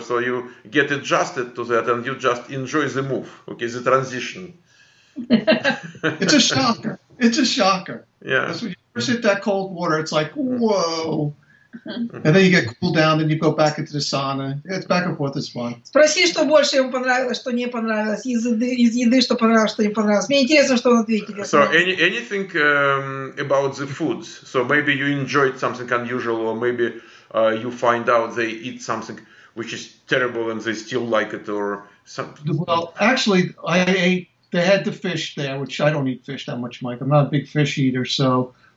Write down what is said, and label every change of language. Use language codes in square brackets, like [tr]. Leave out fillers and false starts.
[en] So you get adjusted to that and you just enjoy the move, okay, the transition. It's a shocker. It's a shocker. Yeah. Because when you first hit that cold water, it's like, whoa. And then you get cooled down and you go back into the sauna. It's back and forth, it's fun. [ru] Спроси, что больше ему понравилось, что не понравилось. Из еды, что понравилось, что не понравилось. Мне интересно, что он ответит. [en] So anything about the foods. So maybe you enjoyed something unusual, or maybe you find out they eat something which is terrible and they still like it, or something. Well, actually, they had the fish there, which I don't eat fish that much, Mike. I'm not a big fish eater, so...